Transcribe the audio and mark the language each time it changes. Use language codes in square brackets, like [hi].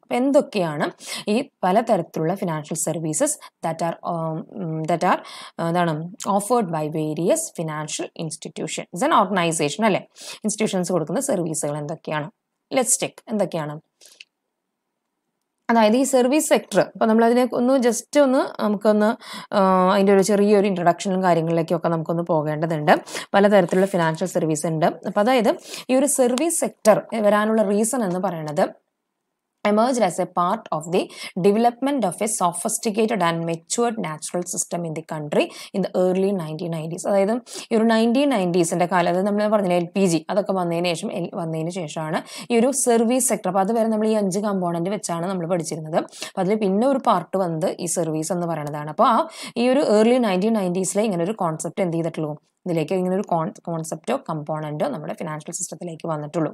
[ml] അപ്പോൾ എന്തൊക്കെയാണ് ഈ പലതരത്തിലുള്ള ഫിനാൻഷ്യൽ സർവീസസ് [en] that are [ml] എന്താണ് [en] offered by various financial institutions and organisation [ml] അല്ലേ. ഇൻസ്റ്റിറ്റ്യൂഷൻസ് കൊടുക്കുന്ന സർവീസുകൾ എന്തൊക്കെയാണ്, [en] let's take [ml] എന്തൊക്കെയാണ്. അതായത് ഈ സർവീസ് സെക്ടർ, അപ്പോൾ നമ്മൾ അതിനെ ഒന്ന് ജസ്റ്റ് ഒന്ന് നമുക്കൊന്ന് അതിൻ്റെ ഒരു ചെറിയൊരു ഇൻട്രൊഡക്ഷനും കാര്യങ്ങളിലേക്കൊക്കെ നമുക്കൊന്ന് പോകേണ്ടതുണ്ട്. പലതരത്തിലുള്ള ഫിനാൻഷ്യൽ സർവീസ് ഉണ്ട്. അപ്പോൾ അതായത് ഈ ഒരു സർവീസ് സെക്ടർ വരാനുള്ള റീസൺ എന്ന് പറയുന്നത് [en] emerged as a part of the development of a sophisticated and matured natural system in the country in the early 1990s. [ml] അതായത് ഈ ഒരു 1990s കാലം, അതായത് നമ്മൾ പറഞ്ഞ LPG അതൊക്കെ വന്നതിന് ശേഷമാണ് ഈ ഒരു സർവീസ് സെക്ടർ. അപ്പോൾ അതുവരെ നമ്മൾ ഈ 5 കമ്പോണൻ്റ് വെച്ചാണ് നമ്മൾ പഠിച്ചിരുന്നത്. അപ്പോൾ അതിൽ പിന്നെ ഒരു പാർട്ട് വന്നത് ഈ സർവീസ് എന്ന് പറയുന്നതാണ്. അപ്പോൾ ആ ഈ ഒരു ഏർലി 1990s ഇങ്ങനെ ഒരു കോൺസെപ്റ്റ് എന്ത് ചെയ്തിട്ടുള്ളൂ, ഇതിലേക്ക് ഇങ്ങനെ ഒരു കോൺസെപ്റ്റോ കമ്പോണൻറ്റോ നമ്മുടെ ഫിനാൻഷ്യൽ സിസ്റ്റത്തിലേക്ക് വന്നിട്ടുള്ളൂ.